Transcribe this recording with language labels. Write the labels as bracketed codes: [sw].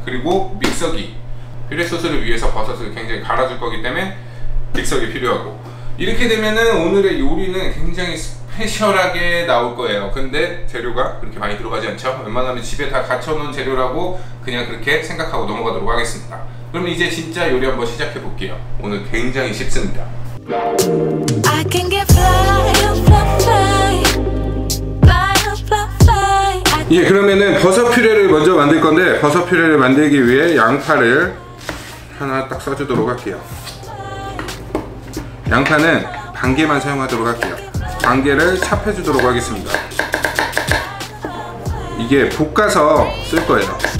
[ko] 그리고 믹서기 퓨레 소스를 위해서 버섯을 굉장히 갈아줄 거기 때문에 믹서기 필요하고 이렇게 되면은 오늘의 요리는 굉장히 스페셜하게 나올 거예요. 근데 재료가 그렇게 많이 들어가지 않죠? 웬만하면 집에 다 갖춰놓은 재료라고 그냥 그렇게 생각하고 넘어가도록 하겠습니다. 그럼 이제 진짜 요리 한번 시작해 볼게요. 오늘 굉장히 쉽습니다. [en] I can get fly, fly, fly, fly, fly. [ko] 예, 그러면은 버섯 퓨레를 먼저 만들 건데 버섯 퓨레를 만들기 위해 양파를 하나 딱 써주도록 할게요. 양파는 반개만 사용하도록 할게요. 반개를 찹해 주도록 하겠습니다. 이게 볶아서 쓸 거예요.